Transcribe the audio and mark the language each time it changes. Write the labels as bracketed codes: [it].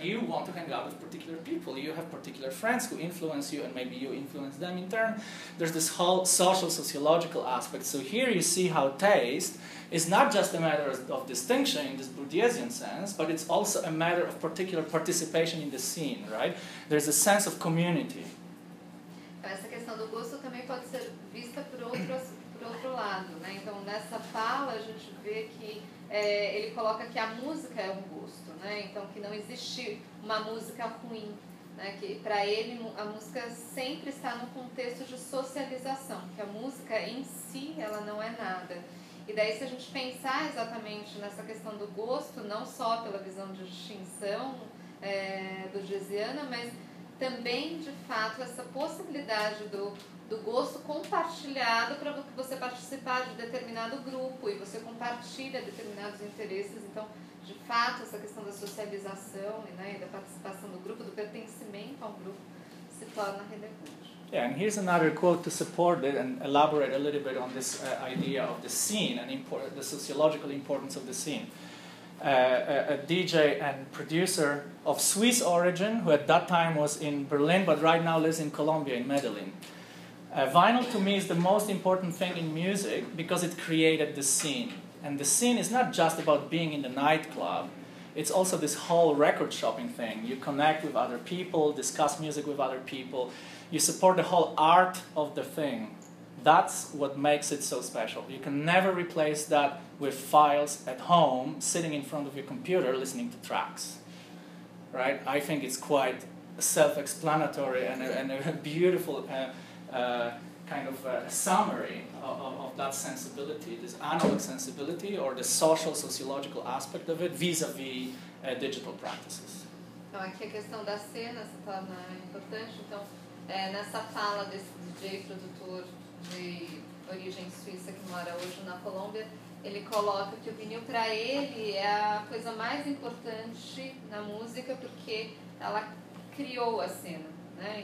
[en] You want to hang out with particular people. You have particular friends who influence you, and maybe you influence them in turn. There's this whole social, sociological aspect. So here you see how taste is not just a matter of distinction in this Bourdieusian sense, but it's also a matter of particular participation in the scene, right? There's a sense of community. [pt] Essa questão do gosto também pode ser vista por outro lado, né? Então, nessa fala, a gente vê que é, ele coloca que a música é um gosto, né? Então, que não existe uma música ruim, né? Que para ele, a música sempre está no contexto de socialização, que a música em si, ela não é nada. E daí, se a gente pensar exatamente nessa questão do gosto, não só pela visão de distinção é, do Gesiana, mas também, de fato, essa possibilidade do gosto compartilhado para você participar de determinado grupo e você compartilha determinados interesses. Então, de fato, essa questão da socialização, né, e da participação do grupo, do pertencimento ao grupo, se torna relevante. [en] Yeah, and here's another quote to support it and elaborate a little bit on this idea of the scene and the sociological importance of the scene. A DJ and producer of Swiss origin, who at that time was in Berlin, but right now lives in Colombia, in Medellin. Vinyl to me is the most important thing in music because it created the scene. And the scene is not just about being in the nightclub. It's also this whole record shopping thing. You connect with other people, discuss music with other people. You support the whole art of the thing. That's what makes it so special. You can never replace that with files at home, sitting in front of your computer, listening to tracks. Right? I think it's quite self-explanatory and a beautiful kind of summary of that sensibility, this analog sensibility, or the social, sociological aspect of it, vis-a-vis digital practices. [pt] Então, aqui a questão da cena se torna importante. Então, nessa fala desse DJ produtor de origem suíça que mora hoje na Colômbia, ele coloca que o vinil para ele é a coisa mais importante na música porque ela criou a cena, né?